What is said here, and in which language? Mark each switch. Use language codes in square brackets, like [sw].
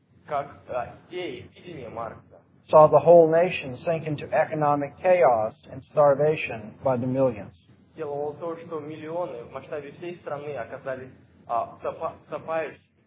[ru] как, идеи, видение Маркса, [en] saw the whole nation sink into economic chaos and starvation by the millions. [ru] Делало то, что миллионы в масштабе всей страны оказались в запаивающей